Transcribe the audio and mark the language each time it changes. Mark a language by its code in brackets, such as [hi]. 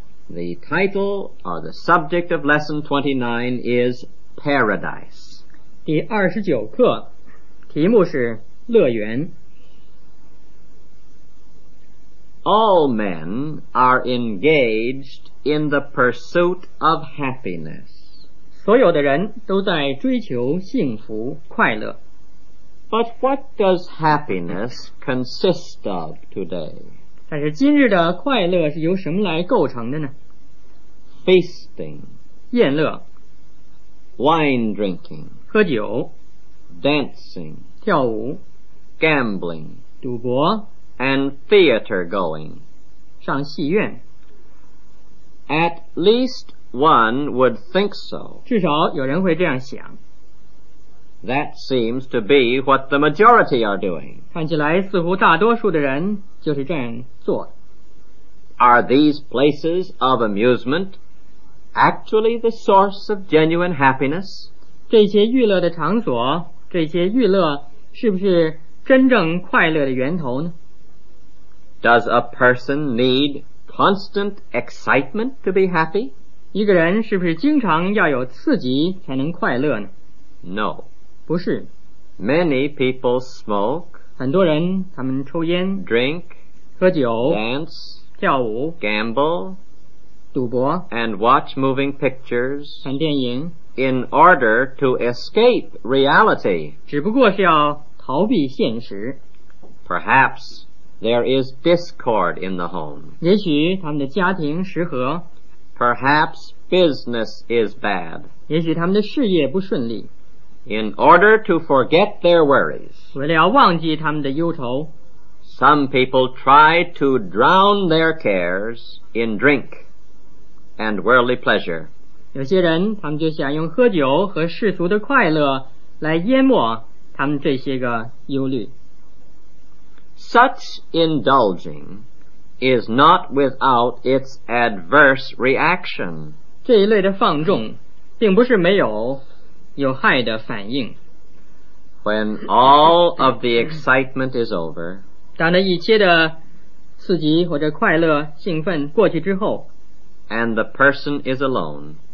[en] The title or the subject of lesson 29 is Paradise. [zh] 第二十九课题目是乐园。 [en] All men are engaged in the pursuit of happiness. [zh] 所有的人都在追求幸福快乐。 [en] But what does happiness consist of today? [zh] 但是今日的快乐是由什么来构成的呢？ [en] Feasting, [zh] 宴乐 [en] wine drinking, [zh] 喝酒 [en] dancing, [zh] 跳舞 [en] gambling, [zh] 赌博 [en] and theater going, [zh] 上戏院 [en] At least one would think so. [zh] 至少有人会这样想。 [en] That seems to be what the majority are doing. [zh] 看起来似乎大多数的人就是这样做。 [en] Are these places of amusement actually the source of genuine happiness? [zh] 这些娱乐的场所，这些娱乐是不是真正快乐的源头呢？ [en] Does a person need constant excitement to be happy? [zh] 一个人是不是经常要有刺激才能快乐呢？ [en] No. [zh] 不是。 [en] Many people smoke. [zh] 很多人他们抽烟。 [en] Drink. [zh] 喝酒。 [en] Dance. [zh] 跳舞 [en] gamble [zh] 赌博 [en] and watch moving pictures [zh] 看电影 [en] in order to escape reality [zh] 只不过是要逃避现实。 [en] Perhaps there is discord in the home [zh] 也许他们的家庭失和 [en] Perhaps business is bad [zh] 也许他们的事业不顺利。 [en] In order to forget their worries [zh] 为了要忘记他们的忧愁。 [en] Some people try to drown their cares in drink and worldly pleasure. [zh] 有些人他们就想用喝酒和世俗的快乐来淹没他们这些个忧虑。 [en] Such indulging is not without its adverse reaction. [zh] 这一类的放纵并不是没有害的反应。 [en] When all of the excitement is over, [zh] 当那一切的刺激或者快乐兴奋过去之后 [en] and the person is alone